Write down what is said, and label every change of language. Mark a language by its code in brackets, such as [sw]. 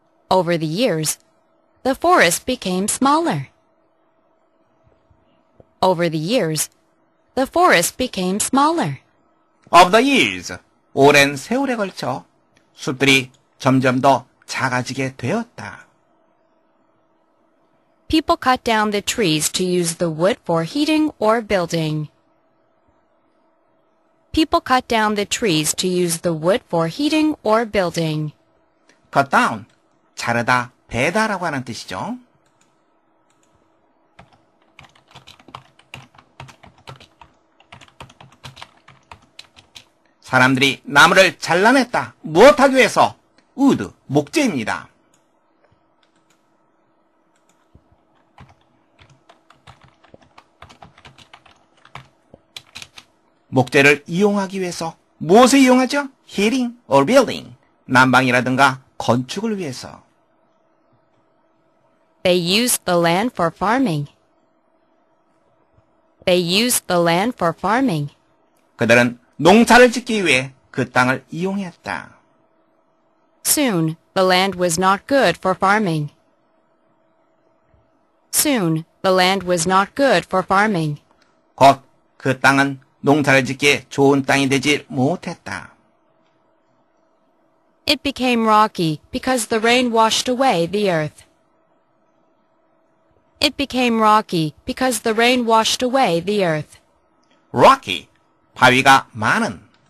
[en] Over the years, the forest became smaller. Over the years, the forest became smaller. Of the years, [ko] 오랜 세월에 걸쳐 숲들이 점점 더 작아지게 되었다. [en] People cut down the trees to use the wood for heating or building. People cut down the trees to use the wood for heating or building. Cut down, [ko] 자르다, 베다라고 하는 뜻이죠. 사람들이 나무를 잘라냈다. 무엇하기 위해서? Wood, 목재입니다. 목재를 이용하기 위해서 무엇을 이용하죠? [en] Heating or building. [ko] 난방이라든가 건축을 위해서. [en] They use the land for farming. They use the land for farming. [ko] 그들은 농사를 짓기 위해 그 땅을 이용했다. [en] Soon, the land was not good for farming. Soon, the land was not good for farming. [ko] 곧 그 땅은 농사를 짓기에 좋은 땅이 되지 못했다. [en] It became rocky because the rain washed away the earth. It became rocky because the rain washed away the earth. [ko] Rocky, 바위가 많은.